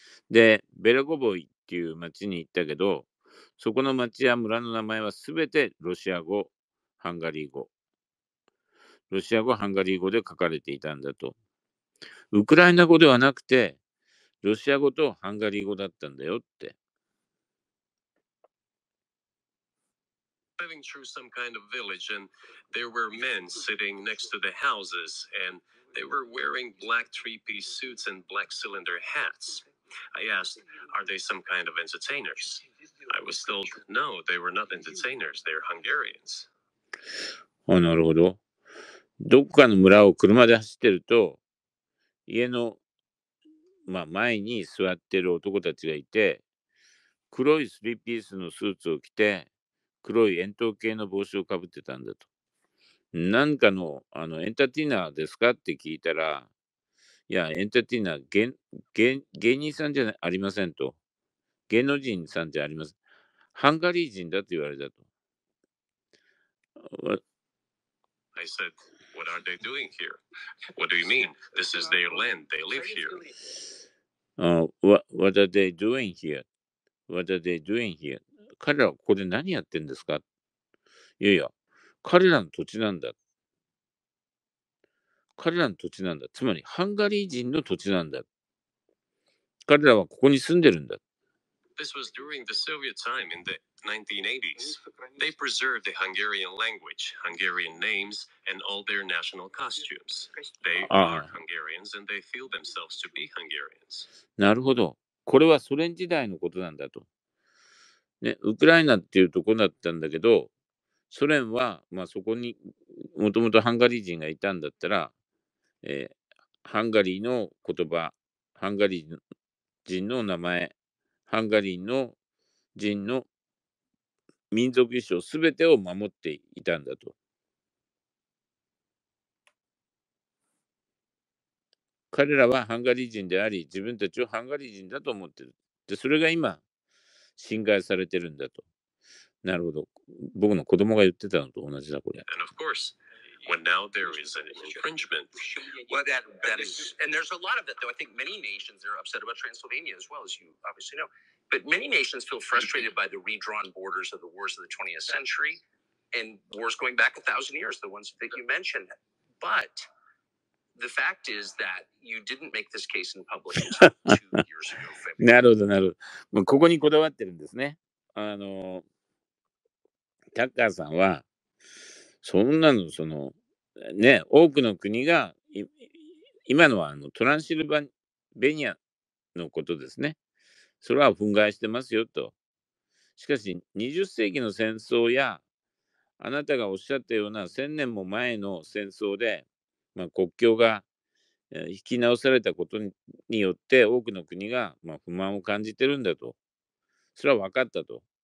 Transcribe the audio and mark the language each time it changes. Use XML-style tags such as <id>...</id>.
<ja>で、ベレゴボイっていう町に行ったけど、そこの町や村の名前は全てロシア語、ハンガリー語、ロシア語、ハンガリー語で書かれていたんだと。ウクライナ語ではなくて、ロシア語とハンガリー語だったんだよって。</ja> <en>Driving through some kind of village, and there were men sitting next to the houses, and they were wearing black three-piece suits and black cylinder hats. I asked, are they some kind of entertainers? I was told, no, they were not entertainers, they're Hungarians.</en> <ja>あ、なるほど。どこかの村を車で走ってると、家の、まあ、前に座ってる男たちがいて、黒いスリーピースのスーツを着て、黒い円筒形の帽子をかぶってたんだと。何か のエンターテイナーですかって聞いたら、いや、エンターテイナー、芸人さんじゃありませんと。芸能人さんじゃありません。ハンガリー人だと言われたと。</ja> <en>I said, what are they doing here? What do you mean? This is their land. They live here. What are they doing here? What are they doing here?</en> <ja>彼らはここで何やってんですか？いやいや、彼らの土地なんだ。彼らの土地なんだ。つまり、ハンガリー人の土地なんだ。彼らはここに住んでるんだ。</ja> <en>This was during the Soviet time in the 1980s. They preserved the Hungarian language, Hungarian names, and all their national costumes. They are Hungarians and they feel themselves to be Hungarians.</en> <ja>なるほど。これはソ連時代のことなんだと。ね、ウクライナっていうとこだったんだけど、ソ連は、まあ、そこにもともとハンガリー人がいたんだったら、ハンガリーの言葉、ハンガリー人の名前、ハンガリーの人の民族衣装すべてを守っていたんだと。彼らはハンガリー人であり、自分たちをハンガリー人だと思ってる。で、それが今侵害されてるんだと。なるほど。僕の子供が言ってたのと同じだ、これ。</ja> <en>And of course, when now there is an infringement. Well, that is, and there's a lot of that, though. I think many nations are upset about Transylvania as well, as you obviously know. But many nations feel frustrated by the redrawn borders of the wars of the 20th century and wars going back 1,000 years, the ones that you mentioned. But the fact is that you didn't make this case in public until 2 years ago.</en> <ja>なるほど、なるほど。ここにこだわってるんですね。タッカーさんは、そんなの、その、ね、多くの国が、今のはトランシルバニアのことですね。それは憤慨してますよと。しかし、20世紀の戦争や、あなたがおっしゃったような1000年も前の戦争で、まあ、国境が引き直されたことによって、多くの国が、まあ、不満を感じてるんだと。それは分かったと。</ja>